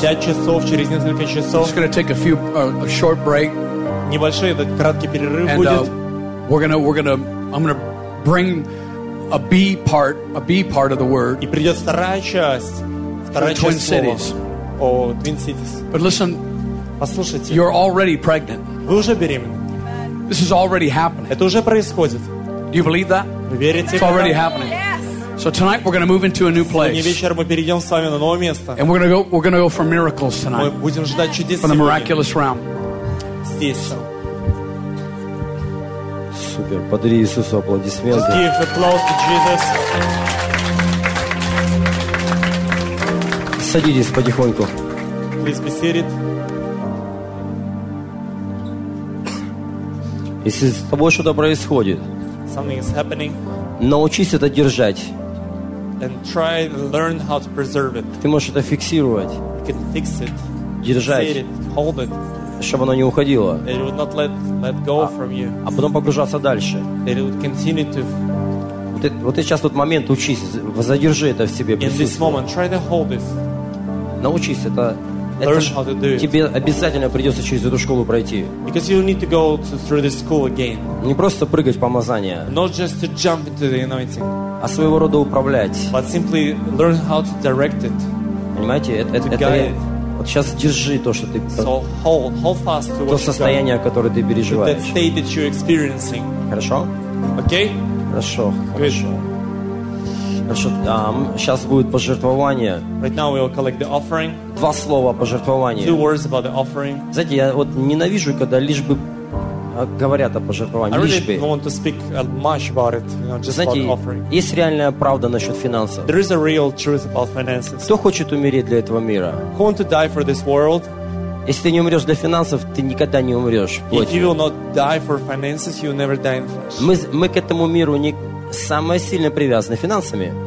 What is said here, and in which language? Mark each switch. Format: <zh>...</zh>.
<ru>5 часов через несколько часов.</ru> <en>Just going to take a short break.</en> <ru>Небольшой этот краткий перерыв будет.</ru> <en>And I'm going to bring a B part of the word.</en> <ru>И придет вторая часть</ru> <en>Twin Cities.</en> <ru>О, Twin Cities.</ru> <en>But listen,</en> <ru>послушайте.</ru> <en>You're already pregnant.</en> <ru>Вы уже беременны.</ru> <en>This is already happening.</en> <ru>Это уже происходит.</ru> <en>Do you believe that? It's already happening. So tonight we're going to move into a new place.</en> <ru>Вечер мы перейдем с вами на новое место.</ru> <en>And we're going to go for miracles tonight.</en> <ru>Мы будем ждать чудес сегодня.</ru> <en>For the miraculous realm.</en> <ru>Здесь. Супер. Подари Иисусу аплодисменты.</ru> <en>Give applause to Jesus.</en> <ru>Садитесь потихоньку.</ru> <en>Please be seated.</en> <ru>Если с тобой что-то происходит.</ru> <en>Something is happening.</en> <ru>Научись это держать.</ru> <en>And try to learn how to preserve it.</en> <ru>Ты можешь это фиксировать.</ru> <en>You can fix it.</en> <ru>Держать.</ru> <en>It, hold it.</en> <ru>Чтобы оно не уходило.</ru> <en>It would not let go from you.</en> <ru>А потом погружаться дальше.</ru> <en>It would continue to.</en> <ru>Вот сейчас тот момент, учись, задержи это в себе.</ru> <en>In this moment, try to hold this.</en> <ru>Научись это.</ru> <en>Learn how to do it.</en> <ru>Тебе обязательно придется через эту школу пройти.</ru> <en>Because you need to go through this school again.</en> <ru>Не просто прыгать в помазание.</ru> <en>Not just to jump into the anointing.</en> <ru>А своего рода управлять.</ru> <en>But simply learn how to direct it.</en> <ru>Понимаете, вот сейчас держи то, что ты.</ru> <en>So hold fast to what you're.</en> <ru>То состояние, которое ты переживаешь.</ru> <en>That state that you're experiencing.</en> <ru>Хорошо.</ru> <en>Okay.</en> <ru>Хорошо.</ru> <en>Good.</en> <ru>Хорошо, сейчас будет пожертвование.</ru> <en>Right now we will collect the offering.</en> <ru>Два слова о пожертвовании.</ru> <en>Two words about the offering.</en> <ru>Знаете, я вот ненавижу, когда лишь бы говорят о пожертвовании.</ru> <en>I really</en> <ru>лишь бы.</ru> <en>Don't want to speak much about it, just</en> <ru>знаете,</ru> <en>about the offering.</en> <ru>Есть реальная правда насчет финансов.</ru> <en>There is a real truth about finances.</en> <ru>Кто хочет умереть для этого мира?</ru> <en>Who want to die for this world?</en> <ru>Если ты не умрешь для финансов, ты никогда не умрешь.</ru> <en>If you will not die for finances, you never die in flesh.</en> <ru>Мы к этому миру не самое сильно привязаны финансами.</ru>